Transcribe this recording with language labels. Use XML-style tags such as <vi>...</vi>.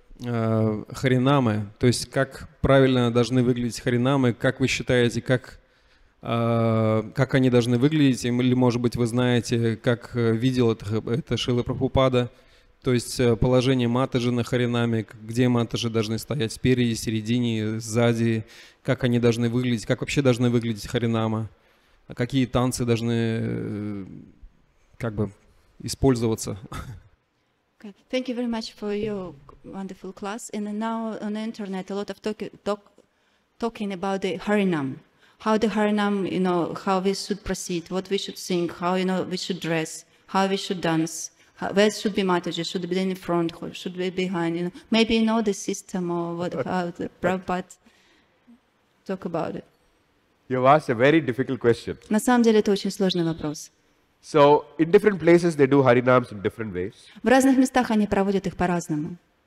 <ru>харинамы, то есть как правильно должны выглядеть харинамы, как вы считаете, как они должны выглядеть, или, может быть, вы знаете, как видел это Шрила Прабхупада, то есть положение матаджи на харинаме, где матаджи должны стоять, спереди, середине, сзади, как они должны выглядеть, как вообще должны выглядеть харинама, какие танцы должны как бы использоваться.</ru> <en>Thank you very much for your wonderful class. And now on the internet, a lot of talking about the harinam. How the harinam, you know, how we should proceed, what we should sing, how, you know, we should dress, how we should dance, where should be Mataji, should be in front, or should be behind, you know. Maybe you know the system or what, how the Prabhupada talk about it. You've asked a very difficult question.</en> <ru>На самом деле, это очень сложный вопрос.</ru> <en>So in different places they do harinams in different ways.</en> <ru>В разных местах они проводят их по-разному.</ru>